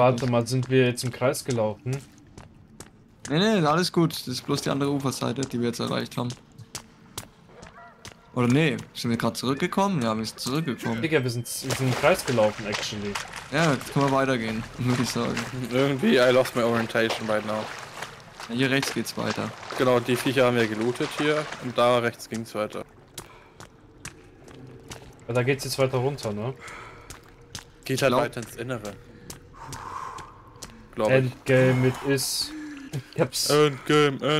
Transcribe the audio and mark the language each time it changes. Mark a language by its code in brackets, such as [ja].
[de] Ah, warte mal, sind wir jetzt im Kreis gelaufen? Nee, alles gut. Das ist bloß die andere Uferseite, die wir jetzt erreicht haben. Oder nee, sind wir gerade zurückgekommen? Ja, wir sind zurückgekommen. Digga, wir sind im Kreis gelaufen, actually. Ja, können wir weitergehen, würde ich sagen. Irgendwie, [en] I lost my orientation right now. [de] Ja, hier rechts geht's weiter. Genau, die Viecher haben wir gelootet hier und da rechts ging's weiter. Ja, da geht's jetzt weiter runter, ne? Geht halt weiter ins Innere. Endgame mit Is. Endgame,